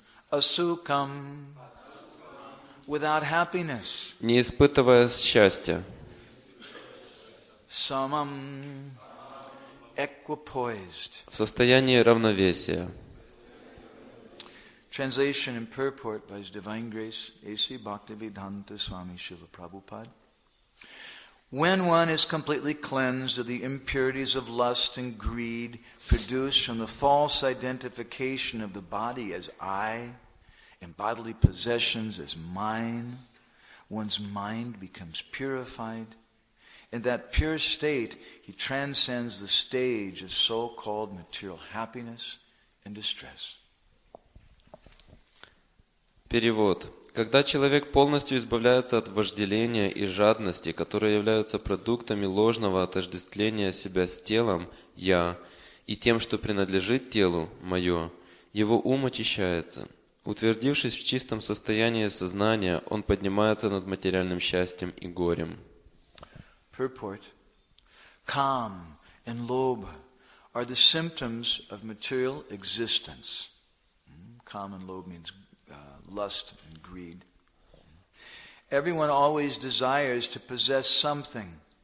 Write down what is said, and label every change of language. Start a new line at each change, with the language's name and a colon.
English: Asukam, without happiness.
Russian: Не испытывая счастья.
English: Samam, equipoised.
Russian: В состоянии равновесия.
English: Translation and purport by His Divine Grace A.C. Bhaktivedanta Swami Srila Prabhupada. When one is completely cleansed of the impurities of lust and greed produced from the false identification of the body as I and bodily possessions as mine, one's mind becomes purified. In that pure state, he transcends the stage of so-called material happiness and distress.
Russian: Перевод. Когда человек полностью избавляется от вожделения и жадности, которые являются продуктами ложного отождествления себя с телом «я» и тем, что принадлежит телу «моё», его ум очищается. Утвердившись в чистом состоянии сознания, он поднимается над материальным счастьем и горем.
English: Purport. Calm and lobha are the symptoms of material existence. Calm and lobha means lust and greed. Everyone always desires to possess something.